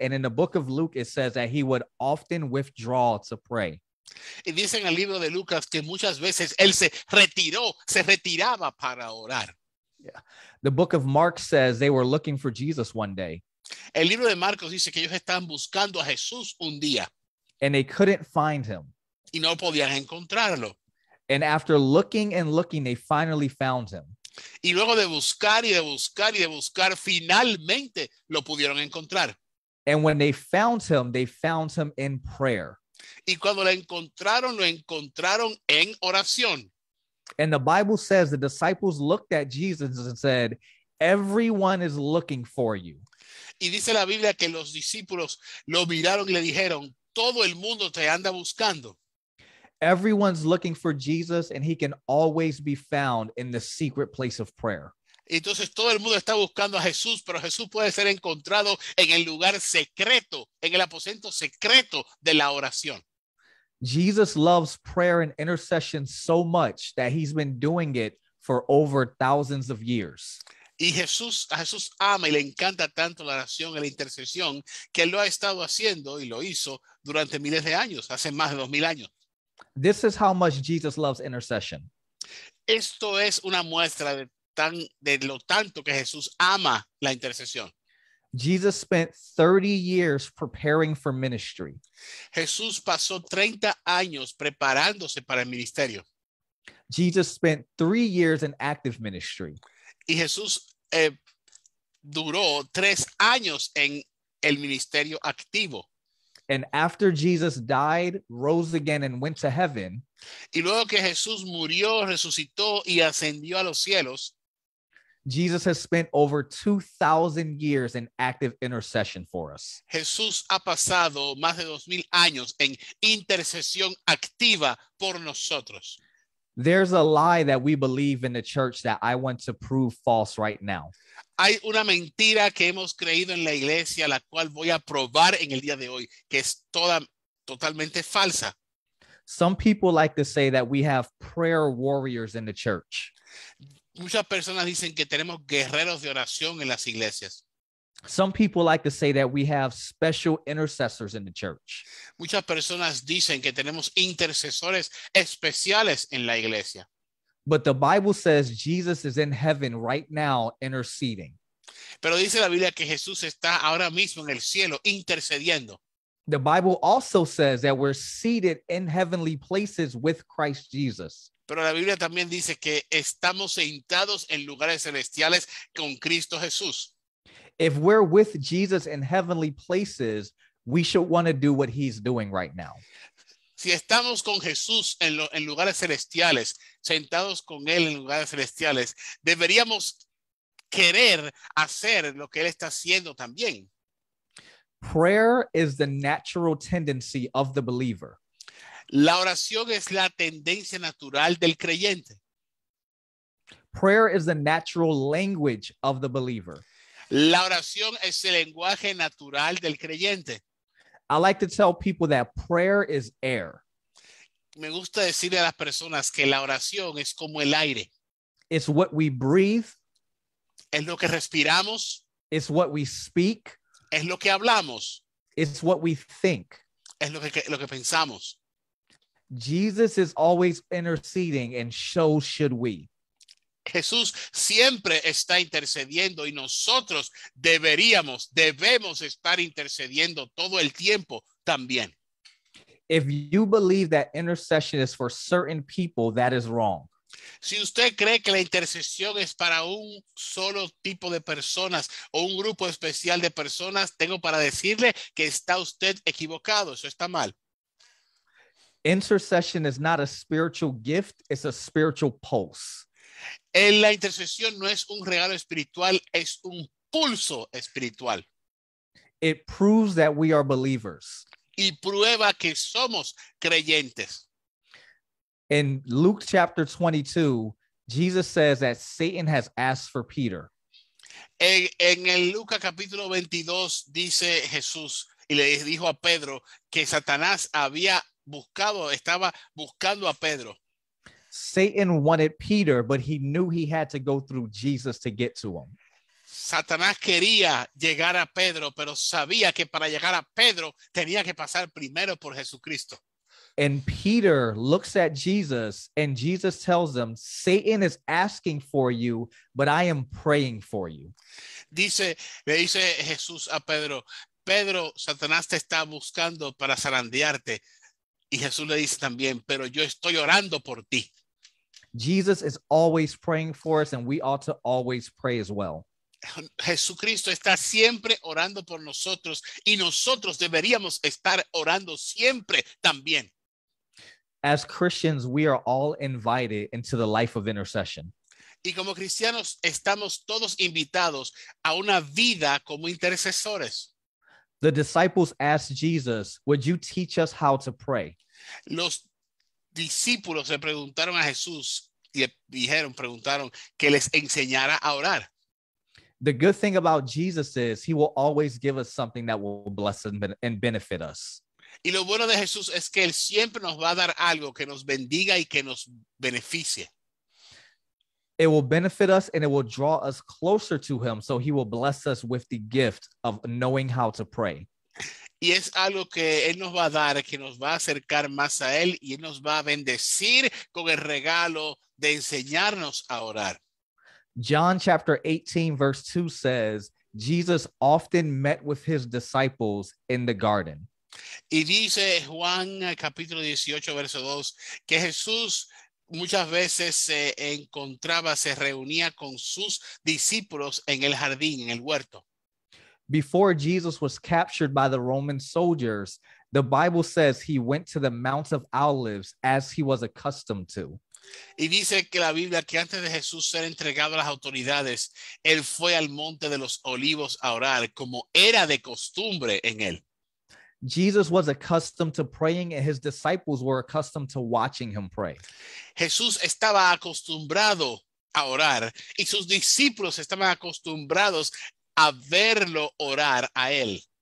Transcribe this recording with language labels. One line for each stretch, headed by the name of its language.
English: And in the book of Luke, it says that he would often withdraw to pray.
Spanish: Y dice en el libro de Lucas que muchas veces él se retiraba para orar. Yeah.
English: The book of Mark says they were looking for Jesus one day.
Spanish: El libro de Marcos dice que ellos estaban buscando a Jesús un día.
English: And they couldn't find him.
Spanish: Y no podían encontrarlo.
English: And after looking and looking, they finally found him.
Spanish: Y luego de buscar y de buscar y de buscar, finalmente lo pudieron encontrar.
English: And when they found him in prayer.
Spanish: Y cuando lo encontraron en oración.
English: And the Bible says the disciples looked at Jesus and said, everyone is looking for you.
Spanish: Y dice la Biblia que los discípulos lo miraron y le dijeron, todo el mundo te anda buscando.
English: Everyone's looking for Jesus and he can always be found in the secret place of prayer.
Spanish: Entonces todo el mundo está buscando a Jesús, pero Jesús puede ser encontrado en el lugar secreto, en el aposento secreto de la oración.
English: Jesus loves prayer and intercession so much that he's been doing it for over thousands of years.
Spanish: Y Jesús, a Jesús ama y le encanta tanto la oración y la intercesión que lo ha estado haciendo y lo hizo durante miles de años, hace más de 2000 años.
English: This is how much Jesus loves intercession.
Spanish: Esto es una muestra de lo tanto que Jesús ama la intercesión.
English: Jesus spent 30 years preparing for ministry.
Spanish: Jesús pasó 30 años preparándose para el ministerio.
English: Jesus spent 3 years in active ministry.
Spanish: Y Jesús duró 3 años en el ministerio activo.
English: And after Jesus died, rose again, and went to heaven.
Spanish: Y luego que Jesús murió, resucitó y ascendió a los cielos.
English: Jesus has spent over 2,000 years in active intercession for us.
Spanish: Jesús ha pasado más de 2,000 años en intercesión activa por nosotros.
English: There's a lie that we believe in the church that I want to prove false right now.
Spanish: Hay una mentira que hemos creído en la iglesia, la cual voy a probar en el día de hoy, que es totalmente falsa.
English: Some people like to say that we have prayer warriors in the church.
Spanish: Muchas personas dicen que tenemos guerreros de oración en las iglesias.
English: Some people like to say that we have special intercessors in the church.
Spanish: Muchas personas dicen que tenemos intercesores especiales en la iglesia.
English: But the Bible says Jesus is in heaven right now interceding.
Spanish: Pero dice la Biblia que Jesús está ahora mismo en el cielo intercediendo.
English: The Bible also says that we're seated in heavenly places with Christ Jesus.
Spanish: Pero la Biblia también dice que estamos sentados en lugares celestiales con Cristo Jesús.
English: If we're with Jesus in heavenly places, we should want to do what he's doing right now.
Spanish: Si estamos con Jesús en lugares celestiales, sentados con él en lugares celestiales, deberíamos querer hacer lo que él está haciendo también.
English: Prayer is the natural tendency of the believer.
Spanish: La oración es la tendencia natural del creyente.
English: Prayer is the natural language of the believer.
Spanish: La oración es el lenguaje natural del creyente.
English: I like to tell people that prayer is air.
Spanish: Me gusta decirle a las personas que la oración es como el aire.
English: It's what we breathe.
Spanish: Es lo que respiramos.
English: It's what we speak.
Spanish: Es lo que hablamos.
English: It's what we think.
Spanish: Es lo que pensamos.
English: Jesus is always interceding, and so should we.
Spanish: Jesús siempre está intercediendo y nosotros debemos estar intercediendo todo el tiempo también.
English: If you believe that intercession is for certain people, that is wrong.
Spanish: Si usted cree que la intercesión es para un solo tipo de personas o un grupo especial de personas, tengo para decirle que está usted equivocado. Eso está mal.
English: Intercession is not a spiritual gift, it's a spiritual pulse.
Spanish: En la intercesión no es un regalo espiritual, es un pulso espiritual.
English: It proves that we are believers.
Spanish: Y prueba que somos creyentes.
English: In Luke chapter 22, Jesus says that Satan has asked for Peter.
Spanish: En el Lucas capítulo 22 dice Jesús y le dijo a Pedro que Satanás estaba buscando a Pedro.
English: Satan wanted Peter, but he knew he had to go through Jesus to get to him.
Spanish: Satanás quería llegar a Pedro, pero sabía que para llegar a Pedro tenía que pasar primero por Jesucristo.
English: And Peter looks at Jesus, and Jesus tells him, Satan is asking for you, but I am praying for you.
Spanish: Le dice Jesús a Pedro, Pedro, Satanás te está buscando para zarandearte. Y Jesús le dice también, pero yo estoy orando por ti.
English: Jesus is always praying for us, and we ought to always pray as well.
Spanish: Jesucristo está siempre orando por nosotros, y nosotros deberíamos estar orando siempre también.
English: As Christians, we are all invited into the life of intercession.
Spanish: Y como cristianos, estamos todos invitados a una vida como intercesores.
English: The disciples asked Jesus, would you teach us how to pray?
Spanish: Los discípulos le preguntaron a Jesús y le preguntaron que les enseñara a orar.
English: The good thing about Jesus is he will always give us something that will bless and benefit us.
Spanish: Y lo bueno de Jesús es que él siempre nos va a dar algo que nos bendiga y que nos beneficie.
English: It will benefit us and it will draw us closer to him, so he will bless us with the gift of knowing how to pray.
Spanish: Y es algo que él nos va a dar, que nos va a acercar más a él y él nos va a bendecir con el regalo de enseñarnos a orar.
English: John chapter 18 verse 2 says, Jesus often met with his disciples in the garden.
Spanish: Y dice Juan capítulo 18 verso 2 que Jesús muchas veces se encontraba, se reunía con sus discípulos en el jardín, en el huerto.
English: Before Jesus was captured by the Roman soldiers, the Bible says he went to the Mount of Olives as he was accustomed to.
Spanish: Y dice que la Biblia que antes de Jesús ser entregado a las autoridades, él fue al Monte de los Olivos a orar como era de costumbre en él.
English: Jesus was accustomed to praying and his disciples were accustomed to watching him pray.
Spanish: Jesús estaba acostumbrado a orar y sus discípulos estaban acostumbrados a verlo orar a él.